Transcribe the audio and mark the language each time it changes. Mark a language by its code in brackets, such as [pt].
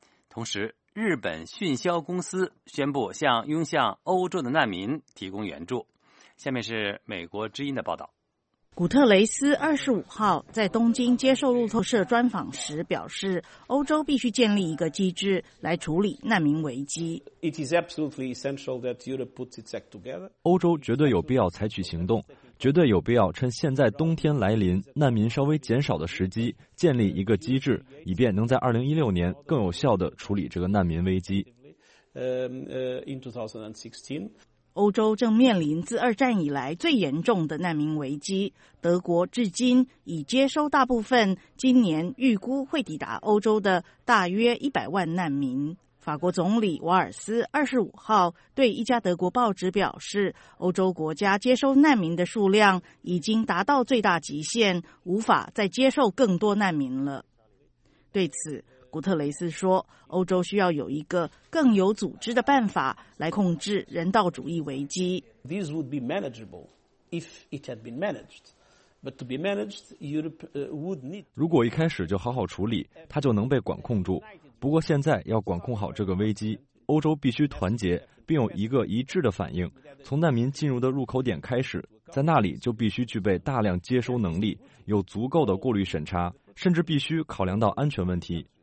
[zh] 同时，日本迅销公司宣布向涌向欧洲的难民提供援助。下面是美国之音的报道。古特雷斯25号在东京接受路透社专访时表示，欧洲必须建立一个机制来处理难民危机。 [en] It is absolutely essential that Europe puts its act together. [zh] 欧洲绝对有必要采取行动，绝对有必要趁现在冬天来临，难民稍微减少的时机，建立一个机制，以便能在2016年更有效地处理这个难民危机。 [en] In 2016 [zh] 欧洲正面临自二战以来最严重的难民危机，德国至今已接收大部分今年预估会抵达欧洲的大约100万难民。法国总理瓦尔斯25号对一家德国报纸表示，欧洲国家接收难民的数量已经达到最大极限，无法再接受更多难民了。对此，古特雷斯说，欧洲需要有一个更有组织的办法来控制人道主义危机。 [en] This would be manageable if it had been managed. But to be managed, Europe would need. [zh] 如果一开始就好好处理，它就能被管控住。不过现在要管控好这个危机，欧洲必须团结，并有一个一致的反应，从难民进入的入口点开始，在那里就必须具备大量接收能力，有足够的过滤审查，甚至必须考量到安全问题。